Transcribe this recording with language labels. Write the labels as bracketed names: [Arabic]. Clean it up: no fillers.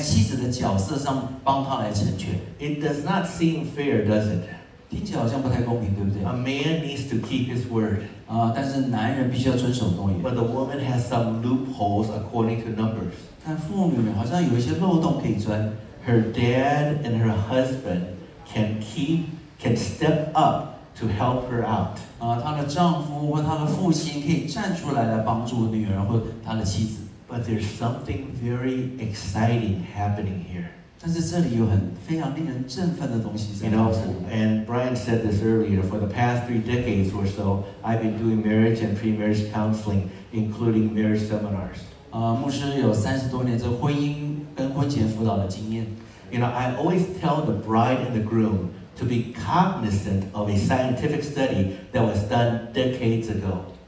[Chinese] 他妻子所做的承诺以及所有的这些财务上面的这些负债的话，丈夫就要站在取代妻子的角色上帮他来成全。 [English] It does not seem fair, does it? [Chinese] 听起来好像不太公平，对不对？ [English] A man needs to keep his word. [Chinese] 但是男人必须要遵守诺言。 [English] But the woman has some loopholes according to Numbers. [Chinese] 但妇女好像有一些漏洞可以钻。 [English] Her dad and her husband can step up to help her out. [Chinese] 她的丈夫或她的父亲可以站出来来帮助女儿或她的妻子。 [English] But there's something very exciting happening here. [Chinese] 但是这里有很非常令人振奋的东西在发生。 [English] You know, and Brian said this earlier, for the past 3 decades or so, I've been doing marriage and pre-marriage counseling, including marriage seminars. [Chinese] 牧师有30多年这婚姻跟婚前辅导的经验。 [English] You know, I always tell the bride and the groom to be cognizant of a scientific study that was done decades ago.